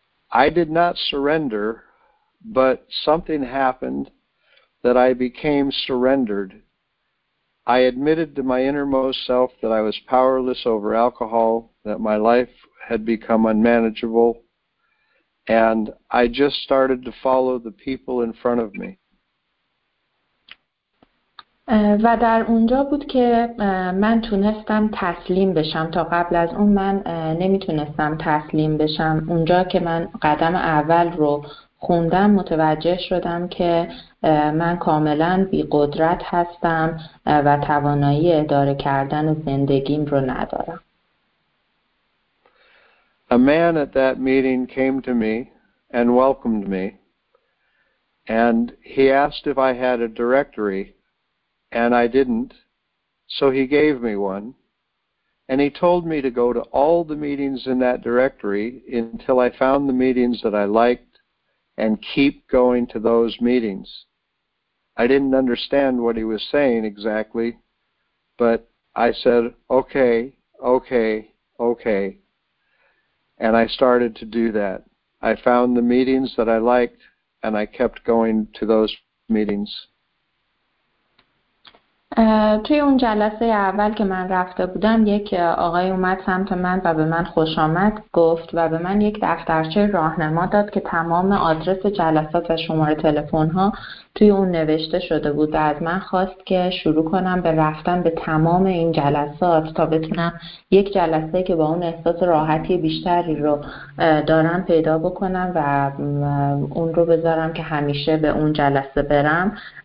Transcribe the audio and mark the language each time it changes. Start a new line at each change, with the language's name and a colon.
English: I did not surrender, but something happened that I became surrendered. I admitted to my innermost self that I was powerless over alcohol, that my life had become unmanageable, and I just started to follow the people in front of me.
Persian: و در اونجا بود که من تونستم تسلیم بشم. تا قبل از اون من نمیتونستم تسلیم بشم. اونجا که من قدم اول رو خوندم متوجه شدم که من کاملا بی قدرت هستم و توانایی اداره کردن زندگیم رو ندارم.
English: A man at that meeting came to me and welcomed me, and he asked if I had a directory, and I didn't, so he gave me one, and he told me to go to all the meetings in that directory until I found the meetings that I liked and keep going to those meetings. I didn't understand what he was saying exactly, but I said, okay, okay, okay. And I started to do that. I found the meetings that I liked, and I kept going to those meetings.
Persian: توی اون جلسه اول که من رفته بودم یک آقای اومد سمت من و به من خوش آمد گفت و به من یک دفترچه راهنما داد که تمام آدرس جلسات و شماره تلفن‌ها توی اون نوشته شده بود و از من خواست که شروع کنم به رفتن به تمام این جلسات تا بتونم یک جلسه که با اون احساس راحتی بیشتری رو دارم پیدا بکنم و اون رو بذارم که همیشه به اون جلسه برم.